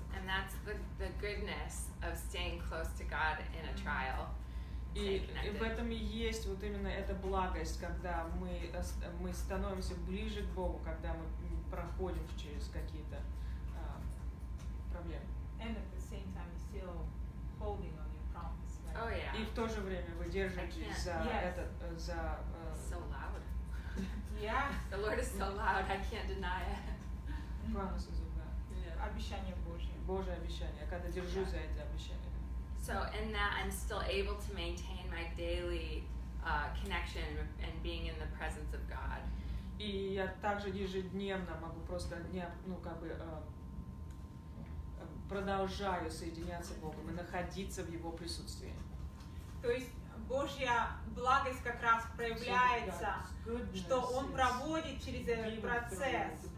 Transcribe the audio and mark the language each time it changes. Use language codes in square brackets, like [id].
[en] And that's the goodness of staying close to God in a trial. [ru] И в этом и есть вот именно эта благость, когда мы становимся ближе к Богу, когда мы проходим через какие-то [en] And at the same time, you're still holding on your promise. Right? Oh yeah. [ru] И в то же время вы держитесь за этот за. [en] So loud. Yeah. The Lord is so loud. I can't deny it. Promise of God. [ru] Обещание Божье. Божье обещание. Когда держу за эти обещания. [en] So in that, I'm still able to maintain my daily connection and being in the presence of God. [ru] И я также ежедневно могу просто не ну как бы. Продолжаю соединяться с Богом и находиться в Его присутствии. То есть Божья благость как раз проявляется, что Он проводит через этот процесс.